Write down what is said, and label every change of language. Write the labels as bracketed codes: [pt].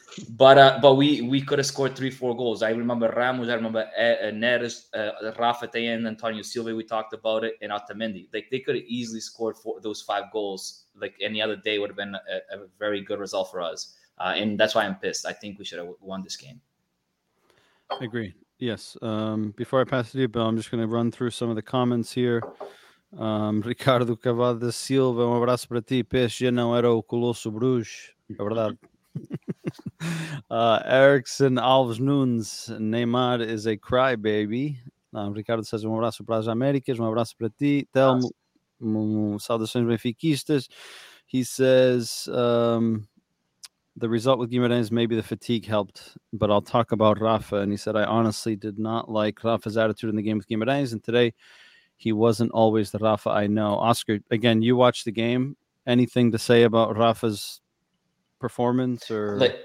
[en] But we could have scored 3-4 goals. I remember Ramos, I remember Neres, Rafa Tejan, Antonio Silva, we talked about it, and Otamendi. Like, they could have easily scored those five goals. Like, any other day would have been a very good result for us. And that's why I'm pissed. I think we should have won this game. I agree. Yes. Before I pass it to you, Bill, I'm just going to run through some of the comments here. [pt] Ricardo Cavada da Silva, um abraço para ti. PSG não era o Colosso Bruges. É verdade. [en] Erickson Alves Nunes, Neymar is a crybaby. Ricardo says, [pt] um abraço para as Américas, um abraço para ti. Telmo, saudações benfiquistas. [en] He says, the result with Guimarães, maybe the fatigue helped, but I'll talk about Rafa. And he said, I honestly did not like Rafa's attitude in the game with Guimarães. And today, he wasn't always the Rafa I know. Oscar, again, you watched the game. Anything to say about Rafa's performance or